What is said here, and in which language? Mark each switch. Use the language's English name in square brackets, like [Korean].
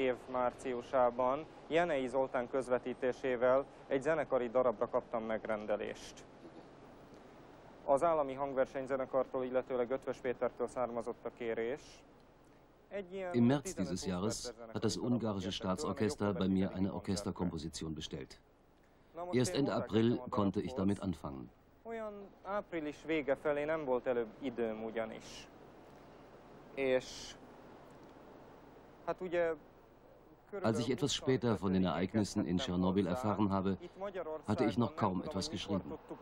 [Hungarian] Márciusában Jenei Zoltán közvetítésével egy zenekari darabra kaptam megrendelést. Az állami hangversenyzenekartól, illetőleg Ötvös Pétertől származott a kérés. [German] Im März dieses Jahres hat das ungarische Staatsorchester bei mir eine Orchesterkomposition bestellt. Erst Ende April konnte ich damit anfangen. [Hungarian] Olyan április vége felé nem volt előbb időm ugyanis. És hát ugye [German] als ich etwas später von den Ereignissen in Tschernobyl erfahren habe, hatte ich noch kaum etwas geschrieben.